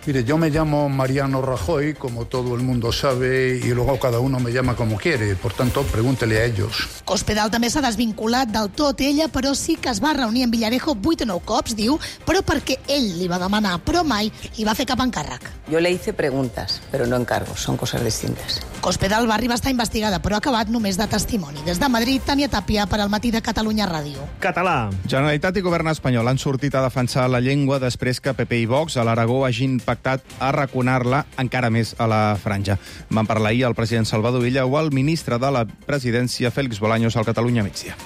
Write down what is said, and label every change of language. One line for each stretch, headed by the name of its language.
Spanish: Mire, yo me llamo Mariano Rajoy, como todo el mundo sabe, y luego cada uno me llama como quiere. Por tanto, pregúntele a ellos.
Catalan: Cospedal també s'ha desvinculat del tot. Ella, però sí que es va reunir en Villarejo 8 o 9 cops, diu, però perquè ell li va demanar, però mai li va fer cap encàrrec.
Spanish: Yo le hice preguntas, pero no encargos, son cosas distintas.
Catalan: Cospedal va arribar a estar investigada, però ha acabat només de testimoni. Des de Madrid, Tania Tàpia, per al Matí de Catalunya Ràdio. Català. Generalitat i govern espanyol han sortit a defensar la llengua després que PP i Vox a l'Aragó hagin pactat arraconar-la encara més a la franja. Van parlar ahir el president Salvador Illa o el ministre de la presidència, Félix Bolaños, al Catalunya Migdia.